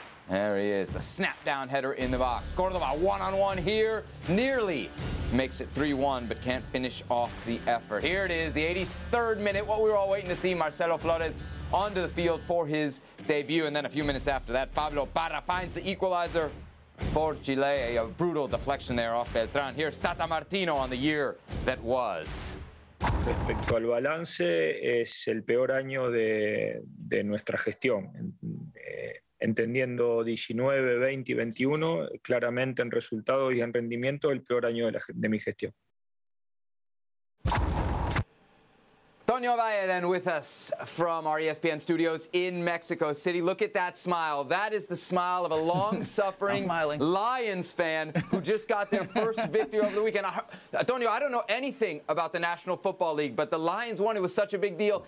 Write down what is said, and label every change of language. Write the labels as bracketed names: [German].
[English] There he is, the snap down header in the box. Cordoba one-on-one here, nearly makes it 3-1, but can't finish off the effort. Here it is, the 83rd minute, what we were all waiting to see, Marcelo Flores onto the field for his debut. And then a few minutes after that, Pablo Parra finds the equalizer for Chile. A brutal deflection there off Beltran. Here's Tata Martino on the year that was. [Spanish] Respecto al balance, es el peor año de nuestra gestión. Entendiendo 19, 20 y 21, claramente en resultados y en rendimiento, el peor año de mi gestión. [English] Toño Valle then with us from our ESPN studios in Mexico City. Look at that smile. That is the smile of a long-suffering Lions fan who just got their first victory over the weekend. Toño, I don't know anything about the National Football League, but the Lions won. It was such a big deal.